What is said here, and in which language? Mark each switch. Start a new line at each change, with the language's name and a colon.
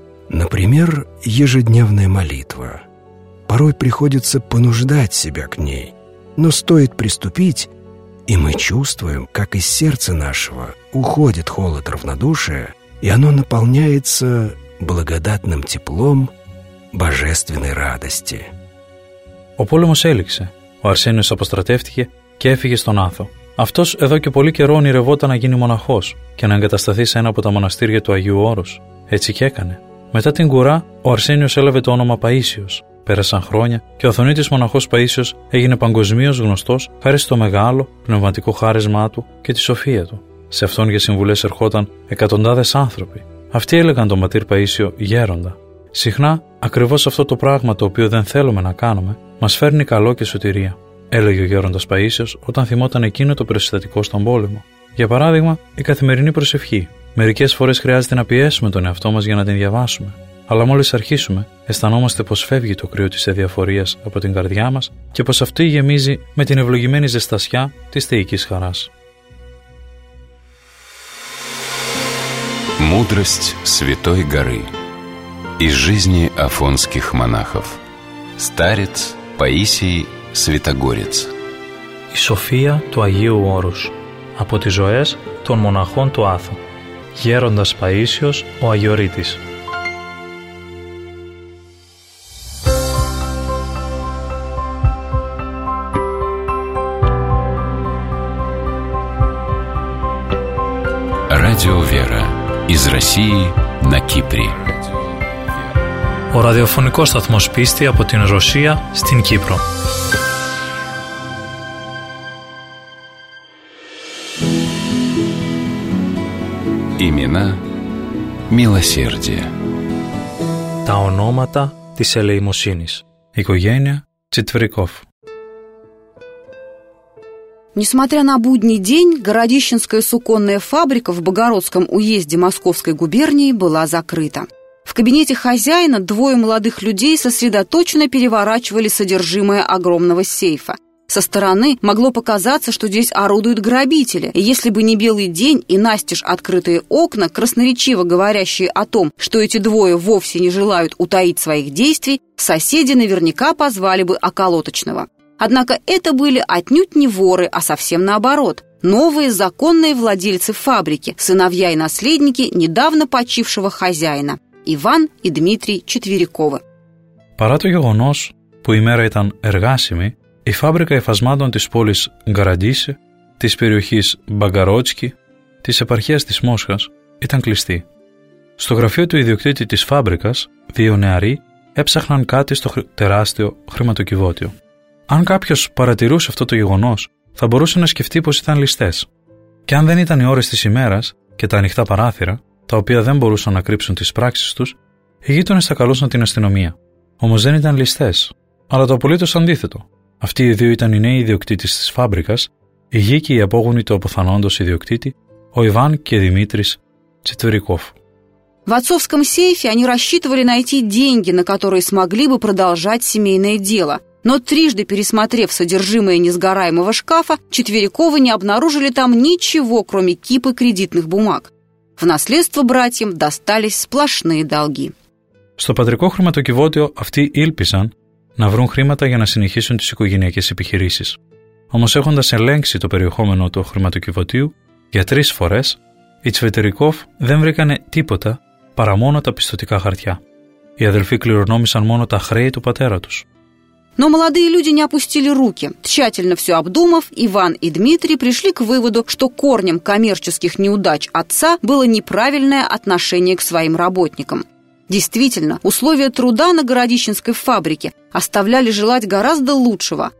Russian: Например, ежедневная молитва. Порой приходится понуждать себя к ней, но стоит приступить, и мы чувствуем, как из сердца нашего уходит холод равнодушия, и оно наполняется благодатным теплом божественной радости.
Greek: Ο πόλεμος έληξε. Ο Αρσένιος αποστρατεύτηκε και έφυγε στον Άθο. Αυτός εδώ και πολύ καιρό ονειρευόταν να γίνει μοναχός και να εγκατασταθεί σε ένα από τα μοναστήρια του Αγίου Όρους. Έτσι και έκανε. Μετά την κουρά, ο Αρσένιος έλαβε το όνομα Παΐσιος. Πέρασαν χρόνια και ο Αθωνίτης μοναχός Παΐσιος έγινε παγκοσμίως γνωστός χάρη στο μεγάλο πνευματικό χάρισμά του και τη σοφία του. Σε αυτόν για συμβουλές ερχόταν εκατοντάδες άνθρωποι. Αυτοί έλεγαν τον πατήρ Παΐσιο γέροντα. Συχνά, ακριβώς αυτό το πράγμα το οποίο δεν θέλουμε να κάνουμε, μας φέρνει καλό και σωτηρία, έλεγε ο γέροντας Παΐσιος όταν θυμόταν εκείνο το περιστατικό στον πόλεμο. Για παράδειγμα, η καθημερινή προσευχή. Μερικές φορές χρειάζεται να πιέσουμε τον εαυτό μας για να την διαβάσουμε. Αλλά μόλις αρχίσουμε, αισθανόμαστε πως φεύγει το κρύο της αδιαφορίας από την καρδιά μας και πως αυτή γεμίζει με την ευλογημένη ζεστασιά της θεϊκής χαράς.
Russian: Μούδρость Святой Горы. Из жизни афонских монахов. Старец Паисий Святогорец.
Greek: Η σοφία του Αγίου Όρους. Από τις ζωές των μοναχών του Άθου. Γέροντας Παΐσιος, ο Αγιορείτης.
Russian: Радио Вера. Из России на Кипре.
Greek: Ο ραδιοφωνικός σταθμός πίστη από την Ρωσία στην Κύπρο.
Russian: Имена милосердия.
Greek: Τα ονόματα της ελεημοσύνης. Οικογένεια Τσιτβρικόφ.
Russian: Несмотря на будний день, Городищенская суконная фабрика в Богородском уезде Московской губернии была закрыта. В кабинете хозяина двое молодых людей сосредоточенно переворачивали содержимое огромного сейфа. Со стороны могло показаться, что здесь орудуют грабители, и если бы не белый день и настежь открытые окна, красноречиво говорящие о том, что эти двое вовсе не желают утаить своих действий, соседи наверняка позвали бы околоточного. Однако это были отнюдь не воры, а совсем наоборот. Новые законные владельцы фабрики, сыновья и наследники недавно почившего хозяина. Иван и Дмитрий Четверяковы.
Greek: Παρά το γεγονός που η μέρα ήταν εργάσιμη, η φάμπρικα εφασμάτων της πόλης Γκαραντίσι, της περιοχής Μπαγκαρότσκι, της επαρχίας της Μόσχας, ήταν κλειστή. Στο γραφείο του ιδιοκτήτη της φάμπρικας, δύο νεαροί έψαχναν κάτι στο τεράστιο χρηματοκιβώτιο. Αν κάποιος παρατηρούσε αυτό το γεγονός, θα μπορούσε να σκεφτεί πως ήταν ληστές. Και αν δεν ήταν οι ώρες της ημέρας και τα ανοιχτά παράθυρα, τα οποία δεν μπορούσαν να κρύψουν τις πράξεις τους, οι γείτονες θα καλούσαν την αστυνομία. Όμως δεν ήταν ληστές, αλλά το απολύτως αντίθετο. Αυτοί οι δύο ήταν οι νέοι ιδιοκτήτες της φάμπρικας, οι γη και οι απόγονοι του αποθανόντος ιδιοκτήτη, ο Ιβάν και Δημήτρης Τσιτβρικόφ.
Russian: В отцовском сейфе они рассчитывали найти деньги, на которые смогли бы продолжать семейное дело. Но трижды пересмотрев содержимое несгораемого шкафа, Четверяковы не обнаружили там ничего, кроме кипы кредитных бумаг. В наследство братьям достались сплошные долги.
Greek: Στο πατρικό χρηματοκιβώτιο αυτοί ήλπιζαν να βρουν χρήματα για να συνεχίσουν τις οικογενειακές επιχειρήσεις. Όμως έχοντας ελέγξει το περιεχόμενο του χρηματοκιβωτίου για τρεις φορές, οι Τσιτβρικόφ δεν βρήκανε τίποτα παρά μόνο τα πιστωτικά χαρτιά. Οι αδελφοί κληρονόμησαν μόνο τα χρέη του πατέρα τους.
Russian: Но молодые люди не опустили руки. Тщательно все обдумав, Иван и Дмитрий пришли к выводу, что корнем коммерческих неудач отца было неправильное отношение к своим работникам. Действительно, условия труда на Городищенской фабрике оставляли желать гораздо лучшего.